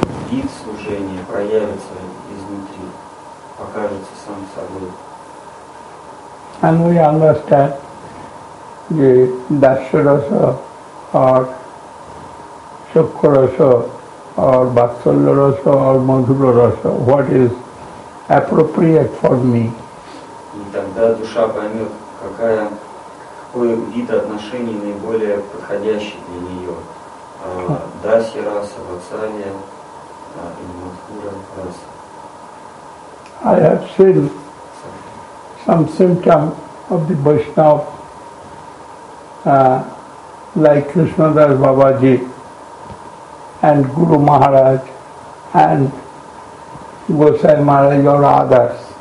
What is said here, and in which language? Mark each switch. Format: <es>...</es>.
<ru>Вид служения проявится изнутри, покажется сам собой.</ru> <en>And we understand the Dasharasa or Shukrasa or Vatsalarasa or Madhurarasa, what is appropriate for me.</en> <ru>И тогда душа поймет, какая какой вид отношений наиболее подходящий для нее. Даси раса, вацалия или мадхура раса.</ru> <en>I have seen some symptom of the Vaishnav, like Krishnadas Babaji and Guru Maharaj and Gosai Maharaj or others.</en>